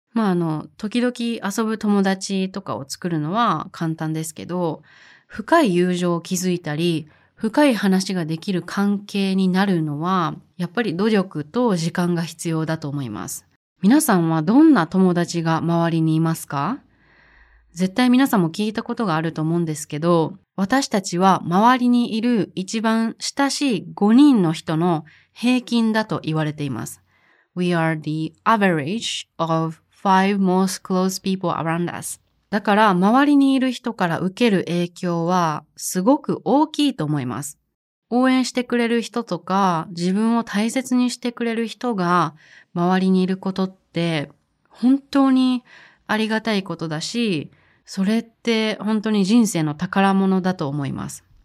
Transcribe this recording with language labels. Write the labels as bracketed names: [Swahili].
[Japanese] まあ時々遊ぶ友達とかを作るのは簡単ですけど、深い友情を築いたり、深い話ができる関係になるのは、やっぱり努力と時間が必要だと思います。皆さんはどんな友達が周りにいますか？絶対皆さんも聞いたことがあると思うんですけど、私たちは周りにいる一番親しい5人の人の平均だと言われています。 [English] We are the average of 5 most close people around us. [Japanese] だから周りにいる人から受ける影響はすごく大きいと思います。応援してくれる人とか自分を大切にしてくれる人が周りにいることって本当にありがたいことだし、それって本当に人生の宝物だと思います。